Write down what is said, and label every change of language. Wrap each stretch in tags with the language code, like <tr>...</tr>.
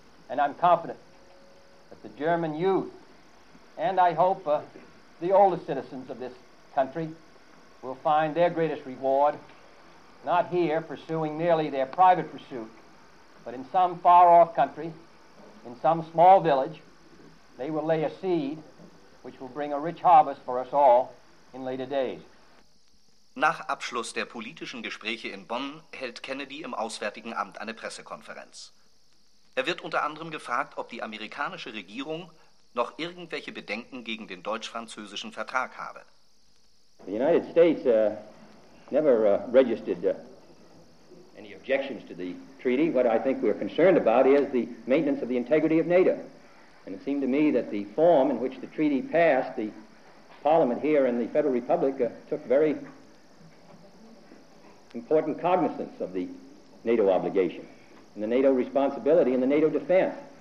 <en>And I'm confident that the German youth, and I hope the older citizens of this country, will find their greatest reward, not here pursuing merely their private pursuit, but in some far-off country, in some small village, they will lay a seed which will bring a rich harvest for us all in later days.</en> <de>Nach Abschluss der politischen Gespräche in Bonn hält Kennedy im Auswärtigen Amt eine Pressekonferenz. Er wird unter anderem gefragt, ob die amerikanische Regierung noch irgendwelche Bedenken gegen den deutsch-französischen Vertrag habe.</de> <en>The United States never registered any objections to the treaty. What I think we're concerned about is the maintenance of the integrity of NATO. And it seemed to me that the form in which the treaty passed, the Parliament here in the Federal Republic took very important cognizance of the NATO obligation and the NATO responsibility and the NATO defense.</en>